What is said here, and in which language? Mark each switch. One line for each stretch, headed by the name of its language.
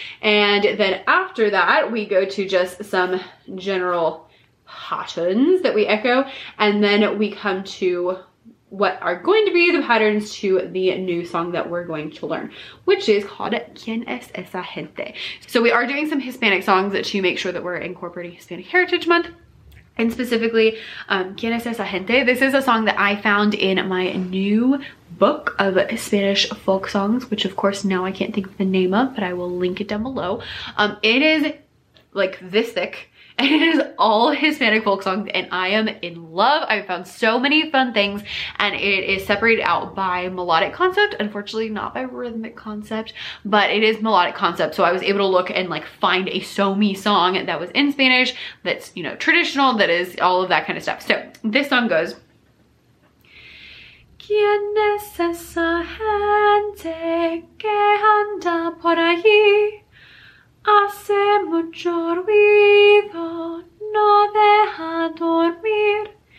English: And then after that, we go to just some general patterns that we echo, and then we come to what are going to be the patterns to the new song that we're going to learn, which is called ¿Quién es esa gente? So we are doing some Hispanic songs to make sure that we're incorporating Hispanic Heritage Month. And specifically, ¿Quién es esa gente? This is a song that I found in my new book of Spanish folk songs, which of course now I can't think of the name of, but I will link it down below. It is like this thick. And it is all Hispanic folk songs, and I am in love. I found so many fun things, and it is separated out by melodic concept, unfortunately not by rhythmic concept, but it is melodic concept. So I was able to look and like find a So Me song that was in Spanish, that's, you know, traditional, that is all of that kind of stuff. So this song goes,
Spanish: ¿Quién es esa gente que anda por allí? Hace mucho ruido, no deja dormir.